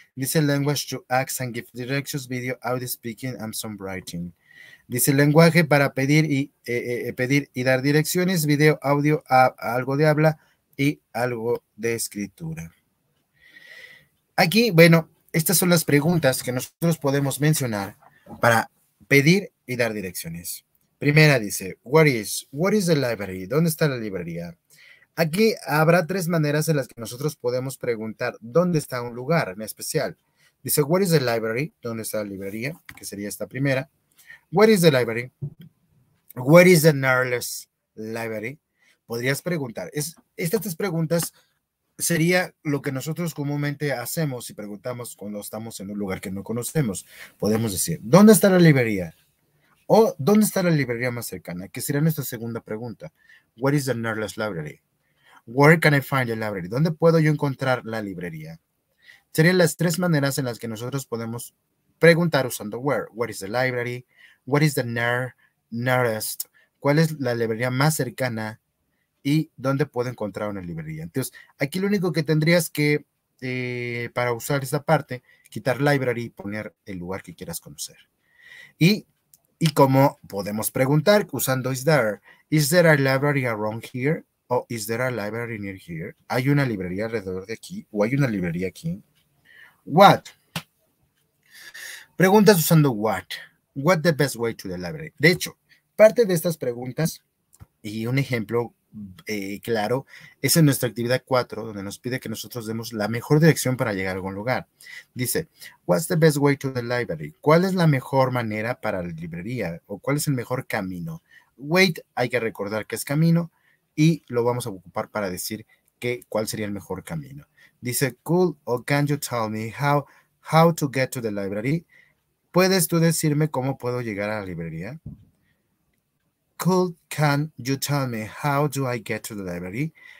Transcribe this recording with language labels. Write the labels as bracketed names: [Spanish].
[English] Dice Language to Ask and Give Directions, Video, Audio, Speaking and Some Writing. [Spanish] Dice Lenguaje para pedir y dar direcciones, video, audio, algo de habla y algo de escritura. Aquí, bueno, estas son las preguntas que nosotros podemos mencionar para pedir y dar direcciones. Primera dice, [English] what is the library? [Spanish] ¿Dónde está la librería? Aquí habrá tres maneras en las que nosotros podemos preguntar dónde está un lugar en especial. Dice, [English] what is the library? [Spanish] ¿Dónde está la librería? Que sería esta primera. [English] Where is the library? Where is the nearest library? [Spanish] Podrías preguntar. Estas tres preguntas sería lo que nosotros comúnmente hacemos y preguntamos cuando estamos en un lugar que no conocemos. Podemos decir, ¿dónde está la librería? O, ¿dónde está la librería más cercana? Que sería nuestra segunda pregunta. [English] Where is the nearest library? Where can I find the library? [Spanish] ¿Dónde puedo yo encontrar la librería? Serían las tres maneras en las que nosotros podemos preguntar usando where. [English] Where is the library? What is the nearest? [Spanish] ¿Cuál es la librería más cercana? ¿Y dónde puedo encontrar una librería? Entonces, aquí lo único que tendrías que, para usar esta parte, quitar library y poner el lugar que quieras conocer. Y cómo podemos preguntar usando [English] is there a library around here? ¿O is there a library near here? [Spanish] ¿Hay una librería alrededor de aquí? ¿O hay una librería aquí? What? Preguntas usando what. [English] What the best way to the library? [Spanish] De hecho, parte de estas preguntas y un ejemplo claro es en nuestra actividad 4, donde nos pide que nosotros demos la mejor dirección para llegar a algún lugar. [English] Dice, what's the best way to the library? [Spanish] ¿Cuál es la mejor manera para la librería? ¿O cuál es el mejor camino? Wait, hay que recordar que es camino y lo vamos a ocupar para decir que cuál sería el mejor camino. [English] Dice, could or can you tell me how to get to the library? [Spanish] ¿Puedes tú decirme cómo puedo llegar a la librería? [English] Could, can you tell me how do I get to the library?